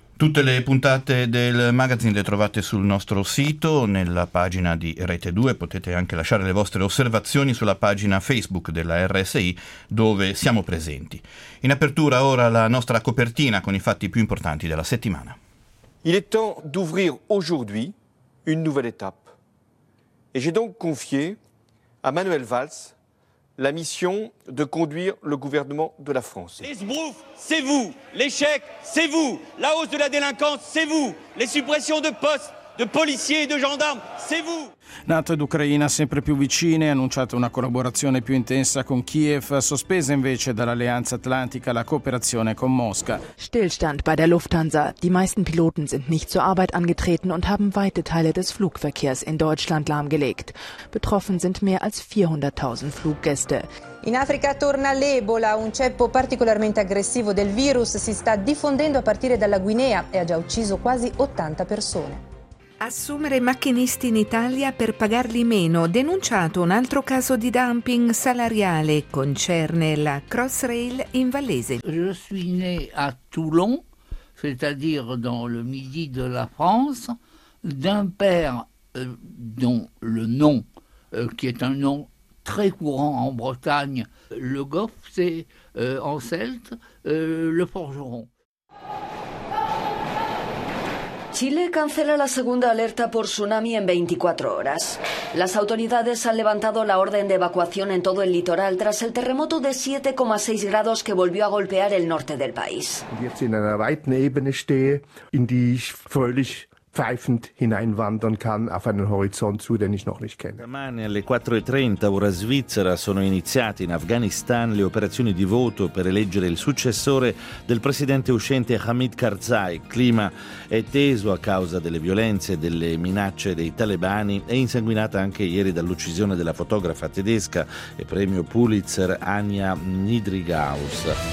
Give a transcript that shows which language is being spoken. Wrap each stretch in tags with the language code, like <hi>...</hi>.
<it>Tutte le puntate del magazine le trovate sul nostro sito, nella pagina di Rete 2, potete anche lasciare le vostre osservazioni sulla pagina Facebook della RSI, dove siamo presenti. In apertura ora la nostra copertina con i fatti più importanti della settimana.</it> <fr>Il est temps d'ouvrir aujourd'hui une nouvelle étape. Et j'ai donc confié à Manuel Valls la mission de conduire le gouvernement de la France. Les brouffes, c'est vous. L'échec, c'est vous. La hausse de la délinquance, c'est vous. Les suppressions de postes, de policiers et de gendarmes, c'est vous.</fr> <it>NATO ed Ucraina sempre più vicine, annunciata una collaborazione più intensa con Kiev, sospesa invece dall'Alleanza Atlantica la cooperazione con Mosca.</it> <de>Stillstand bei der Lufthansa. Die meisten Piloten sind nicht zur Arbeit angetreten und haben weite Teile des Flugverkehrs in Deutschland lahmgelegt. Betroffen sind mehr als 400.000 Fluggäste.</de> <it>In Africa torna l'Ebola, un ceppo particolarmente aggressivo del virus si sta diffondendo a partire dalla Guinea e ha già ucciso quasi 80 persone. Assumere macchinisti in Italia per pagarli meno, denunciato un altro caso di dumping salariale, concerne la Crossrail in Vallese.</it> <fr>Je suis né à Toulon, c'est-à-dire dans le midi de la France, d'un père dont le nom, qui est un nom très courant en Bretagne, le Goff, c'est en celte, le forgeron.</fr> <es>Chile cancela la segunda alerta por tsunami en 24 horas. Las autoridades han levantado la orden de evacuación en todo el litoral tras el terremoto de 7,6 grados que volvió a golpear el norte del país.</es> <de>Jetzt in einer weiten Ebene stehe, in die ich völlig pfeifend hineinwandern kann auf einen Horizont zu, den ich noch nicht kenne.</de> <it>Stamani alle 4:30 ora svizzera sono iniziate in Afghanistan le operazioni di voto per eleggere il successore del presidente uscente Hamid Karzai. Clima è teso a causa delle violenze e delle minacce dei talebani e insanguinata anche ieri dall'uccisione della fotografa tedesca e premio Pulitzer Anja Niedringhaus.</it>